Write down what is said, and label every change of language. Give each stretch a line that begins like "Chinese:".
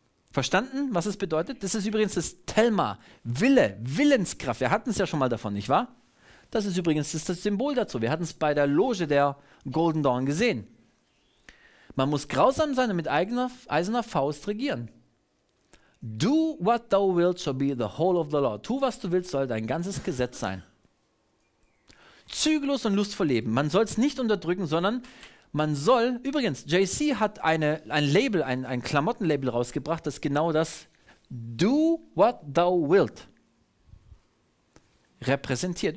German: Verstanden, was es bedeutet? Das ist übrigens das Thelma, Wille, Willenskraft. Wir hatten es ja schon mal davon, nicht wahr? Das ist übrigens das Symbol dazu. Wir hatten es bei der Loge der Golden Dawn gesehen. Man muss grausam sein und mit eiserner Faust regieren.
English: Do what thou wilt shall be the whole of the law.
German: Tu, was du willst, soll dein ganzes Gesetz sein. Zügellos und lustvoll leben. Man soll es nicht unterdrücken, sondern... Man soll, übrigens, JC hat ein Klamottenlabel rausgebracht, das genau das
English: Do what thou wilt
German: repräsentiert.